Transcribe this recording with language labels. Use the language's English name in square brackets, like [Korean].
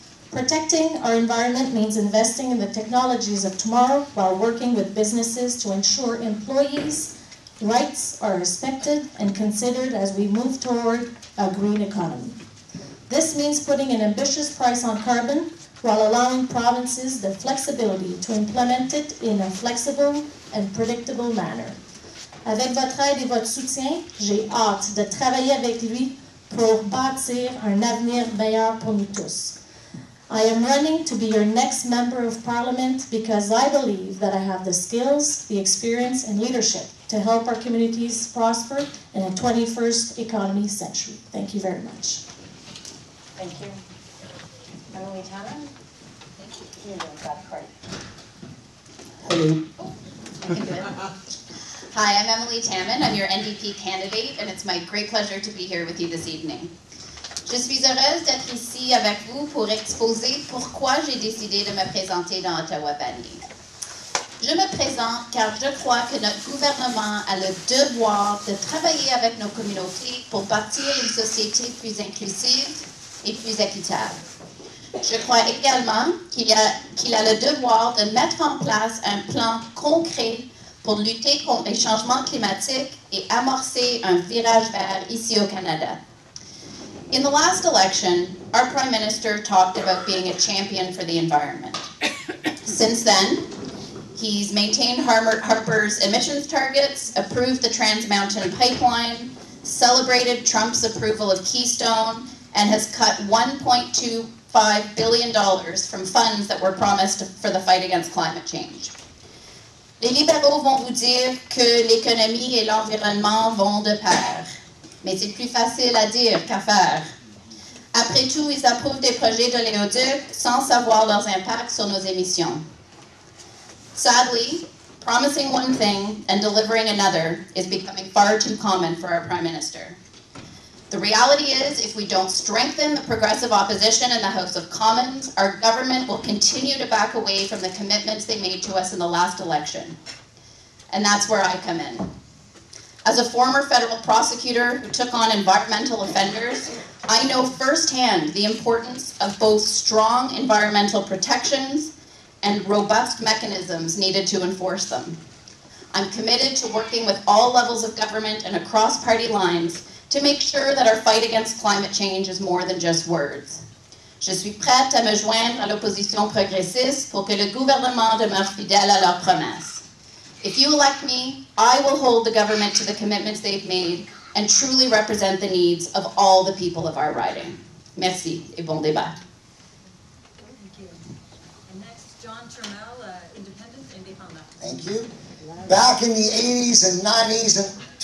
[English] Protecting our environment means investing in the technologies of tomorrow while working with businesses to ensure employees' rights are respected and considered as we move toward a green economy. This means putting an ambitious price on carbon while allowing provinces the flexibility to implement it in a flexible and predictable manner. [French] Avec votre aide et votre soutien, j'ai hâte de travailler avec lui pour bâtir un avenir meilleur pour nous tous. [English] I am running to be your next member of parliament because I believe that I have the skills, the experience, and leadership to help our communities prosper in a 21st economy century. Thank you very much. Thank you. Emily Tannen? Thank you. Hello. Hi, I'm Emily Tammen. I'm your NDP candidate, and it's my great pleasure to be here with you this evening. [French] Je suis heureuse d'être ici avec vous pour exposer pourquoi j'ai décidé de me présenter dans Ottawa Vanier. Je me présente car je crois que notre gouvernement a le devoir de travailler avec nos communautés pour bâtir une société plus inclusive et plus équitable. Je crois également qu'il a le devoir de mettre en place un plan concret pour lutter contre les changements climatiques et amorcer un virage vert ici au Canada. [English] In the last election, our Prime Minister talked about being a champion for the environment. Since then, he's maintained Harper's emissions targets, approved the Trans Mountain Pipeline, celebrated Trump's approval of Keystone, and has cut $1.25 billion from funds that were promised for the fight against climate change. [French] Les libéraux vont vous dire que l'économie et l'environnement vont de pair. Mais c'est plus facile à dire qu'à faire. Après tout, ils approuvent des projets d'oléoduc sans savoir leurs impacts sur nos émissions. [English] Sadly, promising one thing and delivering another is becoming far too common for our Prime Minister. The reality is, if we don't strengthen the progressive opposition in the House of Commons, our government will continue to back away from the commitments they made to us in the last election. And that's where I come in. As a former federal prosecutor who took on environmental offenders, I know firsthand the importance of both strong environmental protections and robust mechanisms needed to enforce them. I'm committed to working with all levels of government and across party lines to make sure that our fight against climate change is more than just words. [French] Je suis prête à me joindre à l'opposition progressiste pour que le gouvernement demeure fidèle à leurs promesses. [English] If you elect me, I will hold the government to the commitments they've made and truly represent the needs of all the people of our riding. [French] Merci et bon débat. [English] Thank you. And next, John Turmel, independent, indépendant. Thank you. Back in the 80s and 90s and